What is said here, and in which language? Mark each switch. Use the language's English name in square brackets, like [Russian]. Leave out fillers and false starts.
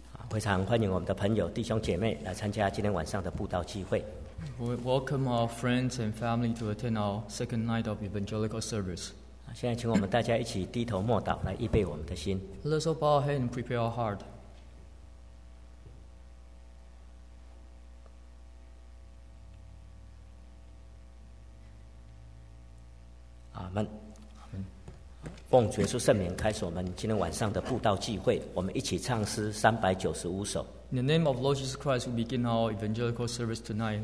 [Chinese] 非常欢迎我们的朋友、弟兄姐妹来参加今天晚上的布道聚会。 [English] We welcome our friends and family to attend our second night of evangelical service. [Chinese] 现在请我们大家一起低头默祷，来预备我们的心。 [English] Let's all bow our head and prepare our heart. [Chinese] 阿们，奉主耶稣圣名开始我们今天晚上的布道聚会，我们一起唱诗395首。 [English] In the name of Lord Jesus Christ, we begin our evangelical service tonight.